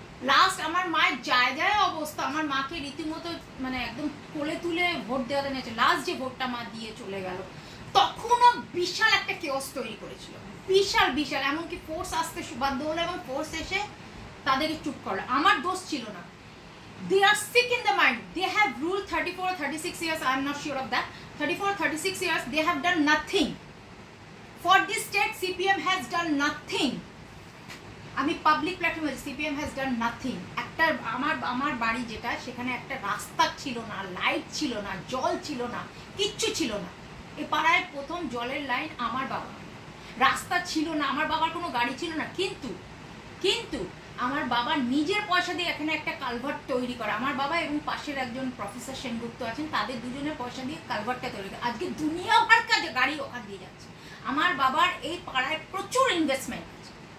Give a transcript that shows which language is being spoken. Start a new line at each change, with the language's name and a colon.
Bangla: Last আমার মায়ের যায় অবস্থা, আমার মাকে রীতিমতো মানে একদম কোলে তুলে ভোট দেওয়া নিয়েছে, লাস্ট যে ভোটটা মা দিয়ে চলে গেল তখনও বিশাল একটা কেওস তৈরি করেছিল, বিশাল বিশাল, এমনকি ফোর্স আসতে বাধ্য হলো এবং ফোর্স এসে তাদেরকে চুপ করলো, আমার দোষ ছিল না।
English: They are sick in the mind. They have ruled 34 or 36 years. I am not sure of that. 34 or 36 years, they have done nothing. For this state, CPM has done nothing.
Bangla: আমি public প্ল্যাটফর্মে
English: CPM has done nothing,
Bangla: একটা আমার আমার বাড়ি যেটা সেখানে একটা রাস্তা ছিল না, লাইট ছিল না, জল ছিল না, কিচ্ছু ছিল না, এই পাড়ায় প্রথম জলের লাইন আমার বাবা, রাস্তা ছিল না, আমার বাবার কোনো গাড়ি ছিল না, কিন্তু আমার বাবা নিজের পয়সা দিয়ে এখানে একটা কালভার্ট তৈরি করা, আমার বাবা এবং পাশের একজন প্রফেসর সেনগুপ্ত আছেন, তাদের দুজনের পয়সা দিয়ে কালভার্টটা তৈরি করা, আজকে দুনিয়াভর কাজে গাড়ি ওখান দিয়ে যাচ্ছে, আমার বাবার এই পাড়ায় প্রচুর ইনভেস্টমেন্ট আছে।